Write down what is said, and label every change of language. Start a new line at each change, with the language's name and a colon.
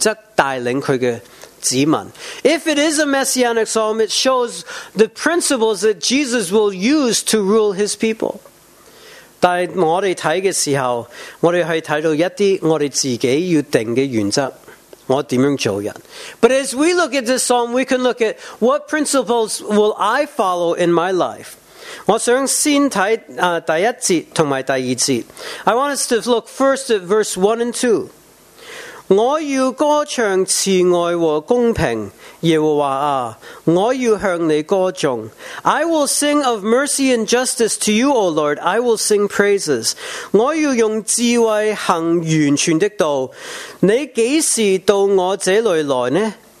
Chinese: 但如果是弥赛亚诗篇,就是表示耶稣回来的时候,按照什么原则带领他的子民?
English: If it is a messianic psalm, it shows the principles that Jesus will use to rule his people.
Chinese: 但我们看的时候,我们可以看到一些我们自己要定的原则。我怎样做人?
English: But as we look at this psalm, we can look at what principles will I follow in my life.
Chinese: 我想先看第一节和第二节。
English: I want us to look first at verse 1 and 2.
Chinese: 我要歌唱慈爱和公平,耶和华啊, 我要向你歌颂。
English: I will sing of mercy and justice to you, O Lord. I will sing praises.
Chinese: 我要用智慧行完全的道, 你何时到我这里来呢?